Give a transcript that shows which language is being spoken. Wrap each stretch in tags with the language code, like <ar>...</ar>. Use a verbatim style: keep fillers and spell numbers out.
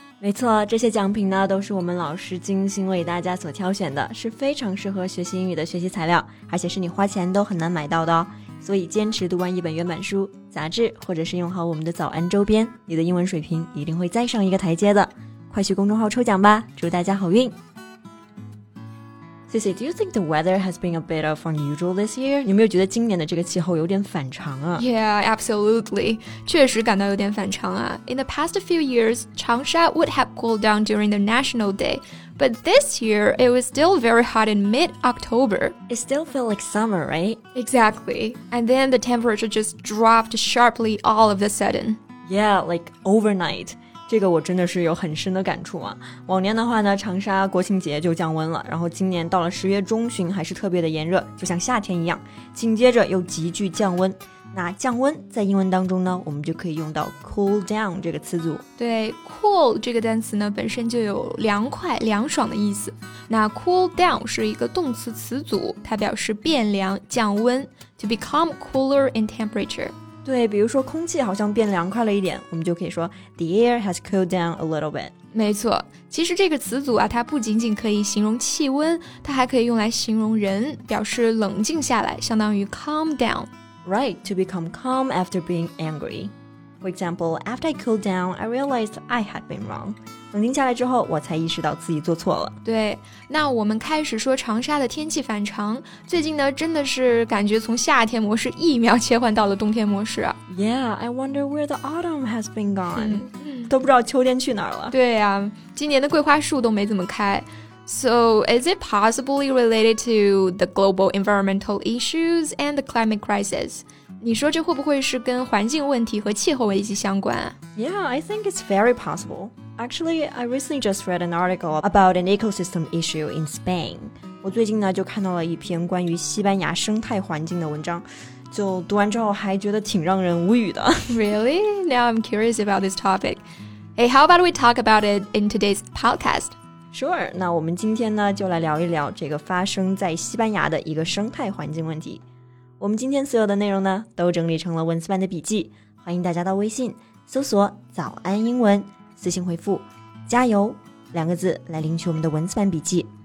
<zh>没错，这些奖品呢都是我们老师精心为大家所挑选的，是非常适合学习英语的学习材料，而且是你花钱都很难买到的哦。所以坚持读完一本原版书、杂志，或者是用好我们的早安周边，你的英文水平一定会再上一个台阶的。快去公众号抽奖吧，祝大家好运。</zh> <en>Cici, do you think the weather has been a bit of unusual this year?</en> <zh>有没有觉得今年的这个气候有点反常啊？</zh> <en>Yeah, absolutely.</en> <zh>确实感到有点反常啊。</zh> <en>In the past few years, Changsha would have cooled down during the National Day, but this year it was still very hot in mid-October. It still felt like summer, right? Exactly. And then the temperature just dropped sharply all of a sudden. Yeah, like overnight.</en> <zh>这个我真的是有很深的感触啊。往年的话呢，长沙国庆节就降温了，然后今年到了十月中旬还是特别的炎热，就像夏天一样，紧接着又急剧降温。那降温在英文当中呢，我们就可以用到 cool down 这个词组。对， cool 这个单词呢本身就有凉快、凉爽的意思。那 cool down 是一个动词词组，它表示变凉、降温</zh> <en>to become cooler in temperature。</en> <zh>对，比如说空气好像变凉快了一点，我们就可以说</zh> <en>The air has cooled down a little bit。</en> <zh>没错，其实这个词组啊，它不仅仅可以形容气温，它还可以用来形容人，表示冷静下来，相当于 calm down。</zh> <en>Right, to become calm after being angry. For example, after I cooled down, I realized I had been wrong.</en> <zh>冷静下来之后，我才意识到自己做错了。对，那我们开始说长沙的天气反常。最近呢，真的是感觉从夏天模式一秒切换到了冬天模式啊。</zh> <en>Yeah, I wonder where the autumn has been gone.</en> <zh>都不知道秋天去哪儿了。对啊，今年的桂花树都没怎么开。</zh> <en>So, is it possibly related to the global environmental issues and the climate crisis?</en> <zh>你说这会不会是跟环境问题和气候危机相关啊？</zh> <en>Yeah, I think it's very possible. Actually, I recently just read an article about an ecosystem issue in Spain.</en> <zh>我最近呢就看到了一篇关于西班牙生态环境的文章，就读完之后还觉得挺让人无语的。</zh> <en>Really? Now I'm curious about this topic. Hey, how about we talk about it in today's podcast?</en> <zh>Sure, 那我们今天呢就来聊一聊这个发生在西班牙的一个生态环境问题。我们今天所有的内容呢都整理成了文字版的笔记，欢迎大家到微信搜索早安英文，私信回复加油两个字来领取我们的文字版笔记。</zh>